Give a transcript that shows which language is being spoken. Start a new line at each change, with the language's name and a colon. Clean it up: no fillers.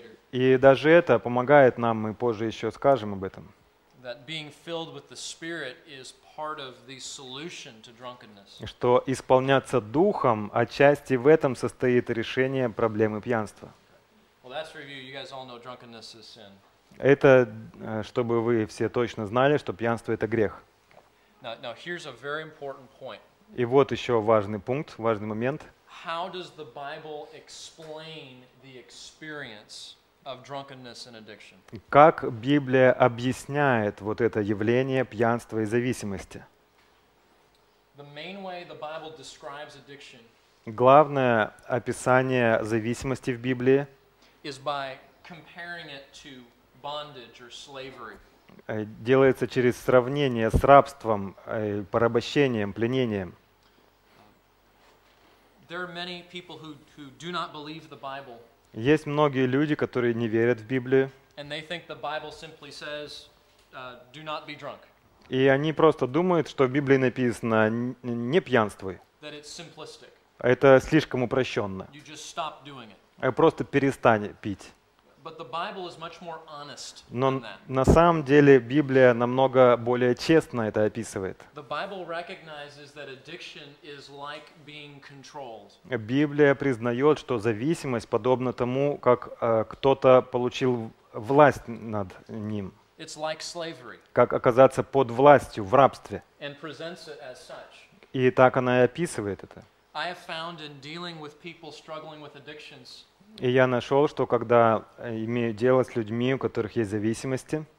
Russian: И даже это помогает нам, мы позже еще скажем об этом.
English: That being filled with the Spirit is part of the solution to drunkenness.
Russian: Что исполняться Духом, отчасти в этом состоит решение проблемы пьянства.
English: Well, that's review. You guys all know drunkenness is sin.
Russian: Это чтобы вы все точно знали, что пьянство – это грех.
English: Now, here's a very important point.
Russian: И вот еще важный пункт, важный момент.
English: How does the Bible explain the experience of drunkenness and addiction?
Russian: Как Библия объясняет вот это явление пьянства и зависимости?
English: The main way the Bible describes addiction.
Russian: Главное описание зависимости в Библии
English: is by comparing it to bondage or slavery.
Russian: Делается через сравнение с рабством, порабощением, пленением.
English: There are many people who do not believe the Bible.
Russian: Есть многие люди, которые не верят в Библию.
English: And they think the Bible simply says, do not be drunk.
Russian: И они просто думают, что в Библии написано «не пьянствуй».
English: That it's simplistic.
Russian: Это слишком упрощенно.
English: You just stop doing it.
Russian: Просто перестань пить.
English: But the Bible is much more honest than that.
Russian: Но на самом деле Библия намного более честно это описывает.
English: The Bible recognizes that addiction is like being controlled.
Russian: Библия признает, что зависимость подобна тому, как кто-то получил власть над ним.
English: It's like slavery.
Russian: Как оказаться под властью, в рабстве.
English: And presents it as such.
Russian: И так она и описывает это.
English: I have found in dealing with people struggling with addictions.
Russian: И я нашел, что когда имею дело с людьми, у которых есть зависимости,